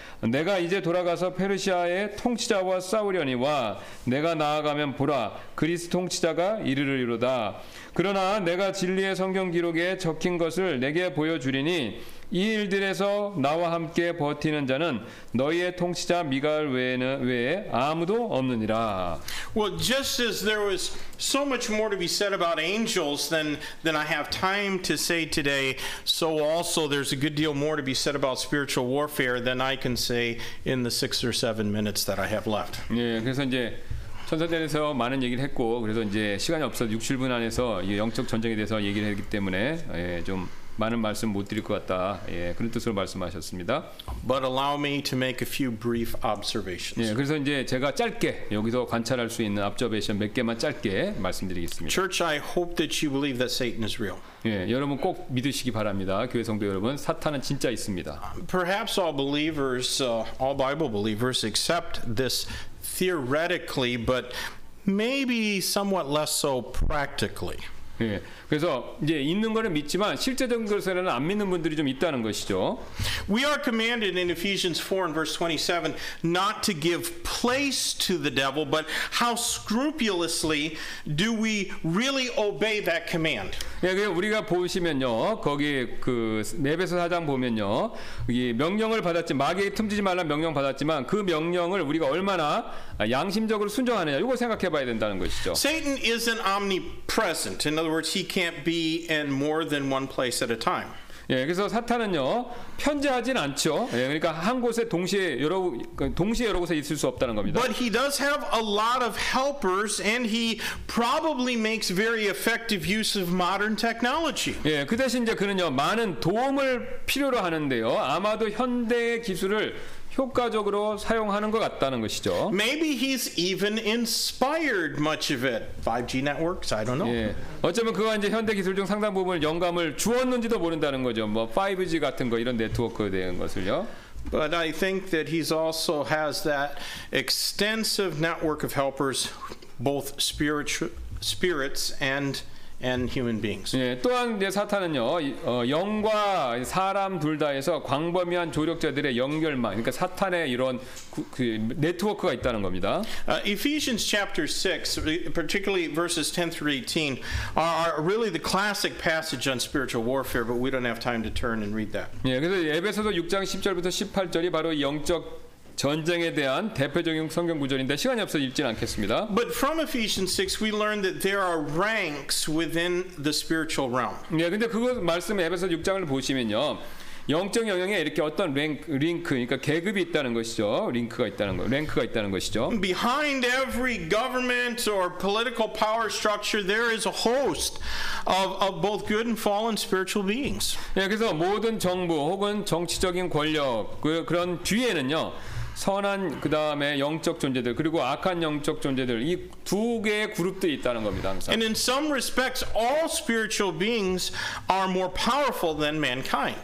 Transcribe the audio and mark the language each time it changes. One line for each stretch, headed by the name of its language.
Korean: 내가 이제 돌아가서 페르시아의 통치자와 싸우려니와 내가 나아가면 보라 그리스 통치자가 이르리로다. 그러나 내가 진리의 성경 기록에 적힌 것을 내게 보여주리니 이 일들에서 나와 함께 버티는 자는 너희의 통치자 미가엘 외에 아무도 없느니라.
English: Well, just as there was so much more to be said about angels than I have time to say today, so also there's a good deal more to be said about spiritual warfare than I can say in the 6 or 7 minutes that I have left.
Korean: 예, 그래서 이제 천사들에서 많은 얘기를 했고 그래서 이제 시간이 없어서 6-7분 안에서 영적 전쟁에 대해서 얘기를 했기 때문에 예, 좀 많은 말씀 못 드릴 것 같다. 예, 그런 뜻으로 말씀하셨습니다.
English: But allow me to make a few brief observations.
Korean: 예, 그래서 이제 제가 짧게 여기서 관찰할 수 있는 observation 몇 개만 짧게 말씀드리겠습니다.
English: Church, I hope that you believe that Satan is real.
Korean: 예, 여러분 꼭 믿으시기 바랍니다. 교회 성도 여러분, 사탄은 진짜 있습니다.
English: Perhaps all believers, all Bible believers accept this theoretically, but maybe somewhat less so practically.
Korean: 예, 그래서 이제 있는 거는 믿지만 실제적인 것에는 안 믿는 분들이 좀 있다는 것이죠.
English: We are commanded in Ephesians 4 and verse 27 not to give place to the devil, but how scrupulously do we really obey that command?
Korean: 예, 우리가 보시면요, 거기 그 에베소서 4장 보면요, 이 명령을 받았지 마귀에게 틈지지 말라 명령 받았지만 그 명령을 우리가 얼마나 양심적으로 순종하느냐, 이거 생각해봐야 된다는 것이죠.
English: Satan is an omnipresent. In other words, he can't be in more than one place at a time.
Korean: 예, 그래서 사탄은요 편재하진 않죠. 예, 그러니까 한 곳에 동시에 여러 곳에 있을 수 없다는 겁니다.
English: But he does have a lot of helpers, and he probably makes very effective use of modern technology.
Korean: 예, 그 대신 이제 그는요 많은 도움을 필요로 하는데요. 아마도 현대의 기술을 효과적으로 사용하는 것 같다는 것이죠.
English: Maybe he's even inspired much of it. 5G networks, I don't know.
Korean: 예, 어쩌면 그가 이제 현대 기술 중 상당 부분을 영감을 주었는지도 모른다는 거죠. 뭐 5G 같은 거 이런 네트워크에 대한 것을요.
English: But I think that he also has that extensive network of helpers, both spirits and human beings.
Korean: 예, 또한 이제 사탄은요 영과 사람 둘 다에서 광범위한 조력자들의 연결망, 그러니까 사탄의 이런 그 네트워크가 있다는 겁니다.
English: Ephesians chapter 6, particularly verses 10 through 18, are really the classic passage on spiritual warfare. But we don't have time to turn and read that.
Korean: 예, 그래서 에베소서 6장 10절부터 18절이 바로 영적 전쟁에 대한 대표적인 성경 구절인데 시간이 없어 읽지는 않겠습니다.
English: But from Ephesians 6 we learn that there are ranks within the spiritual realm.
Korean: 예, 근데 그 말씀 에베소 6장을 보시면요. 영적 영역에 이렇게 어떤 링크 그러니까 계급이 있다는 것이죠. 링크가 있다는 거. 랭크가 있다는 것이죠.
English: Behind every government or political power structure there is a host of both good and fallen spiritual beings.
Korean: 예, 그래서 모든 정부 혹은 정치적인 권력 그런 뒤에는요. 선한 그 다음에 영적 존재들 그리고 악한 영적 존재들 이 두 개의 그룹들이 있다는 겁니다. 항상.
English: And in some respects, all spiritual beings are more powerful than mankind.